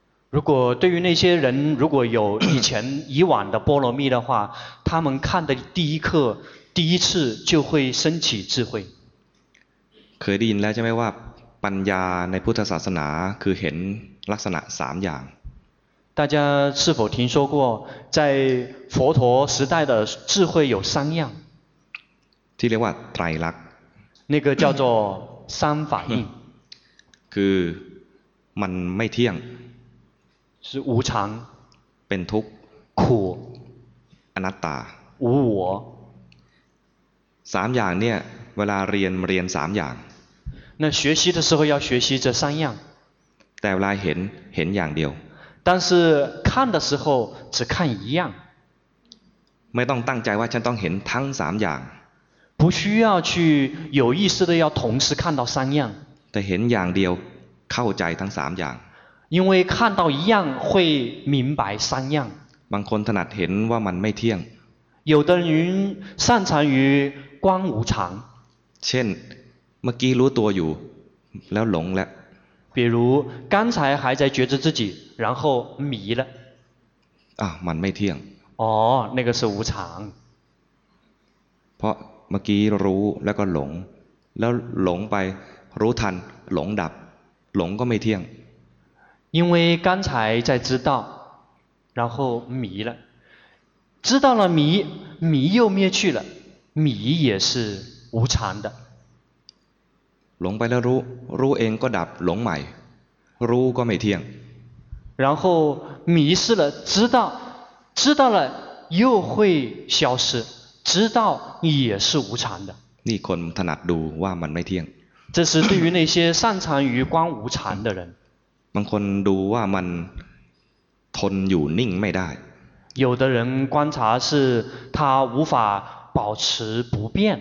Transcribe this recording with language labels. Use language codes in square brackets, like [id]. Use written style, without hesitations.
[zh] 如果对于那些人如果有以前以往的波罗蜜的话他们看的第一课第一次就会升起智慧 [th] เคยได้ยินแล้วใช่ไหมว่าปัญญาในพุทธศาสนาคือเห็นลักษณะ3อย่าง [zh] 大家是否听说过在佛陀时代的智慧有3样 [th] ที่เรียกว่าไตรลักษณ์ [zh] 那个叫做三法印 [th] คือมันไม่เที่ยง [zh] 是无常 [th] เป็นทุกข์ [zh] 苦 [th] อนัตตา [zh] 无我 [th] 3อย่างเนี่ยเวลาเรียนเรียน3อย่าง [zh] 那学习的时候要学习这三样 [th] แต่เวลาเห็นเห็นอย่างเดียว [zh] 但是看的时候只看一样 [th] ไม่ต้องตั้งใจว่าฉันต้องเห็นทั้ง3อย่าง [zh] 不需要去有意识的要同时看到三样 [th] แต่เห็นอย่างเดียวเข้าใจทั้ง3อย่าง [zh] 因为看到一样会明白三样 [th] บางคนถนัดเห็นว่ามันไม่เที่ยง [zh] 有的人擅长于观无常 [th] เช่นเมื่อกี้รู้ตัวอยู่แล้วหลงแล้ว [zh] 比如刚才还在觉知自己然后迷了 [th] อ่ะมันไม่เที่ยง [zh] อ๋อ那个是无常 [th] เพราะเมื่อกี้รู้แล้วก็หลงแล้วหลงไปรู้ทันหลงดับหลงก็ไม่เที่ยง [zh] 因为刚才在知道然后迷了知道了迷迷又灭去了迷也是无常的 [th] หลงไปแล้วรู้รู้เองก็ดับหลงใหม่รู้ก็ไม่เที่ยง [zh] 然后迷失了知道知道了又会消失知道也是无常的 [th] นี่คนถนัดดูว่ามันไม่เที่ยง [zh] 这是对于那些擅长于观无常的人 [th] บางคนดูว่ามันทนอยู่นิ่งไม่ได้ [zh] 有的人观察是他无法保持不变